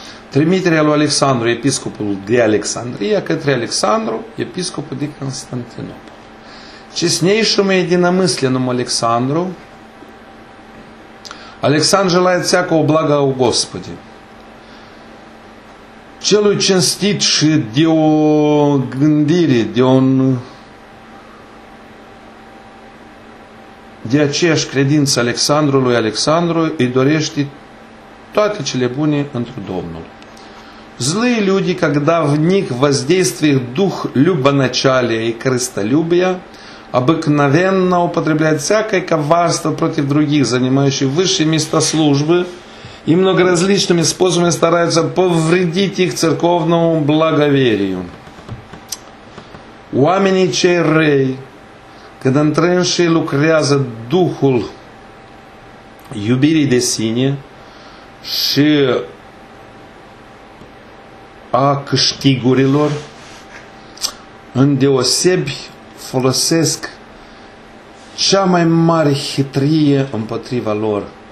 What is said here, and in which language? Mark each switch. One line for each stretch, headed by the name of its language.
Romanian: Trimiterea lui Alexandru, episcopul de Alexandria, către Alexandru, episcopul de Constantinopol.
Russian: Честнейшему единомысленному Александру, Александр желает всякого блага у Господи.
Romanian: Celui cinstit și de o gândire, de aceeași credință Alexandrului Alexandru, îi dorește toate cele bune întru Domnul.
Russian: Злые люди, когда в них воздействует дух любоначалия и корыстолюбия, обыкновенно употребляют всякое коварство против других, занимающих высшие места службы, и многоразличными способами стараются повредить их церковному благоверию.
Romanian: Oamenii cei răi, când întrânși lucrează духul iubirii de sine și a câștigurilor, îndeosebi folosesc cea mai mare hitrie împotriva lor,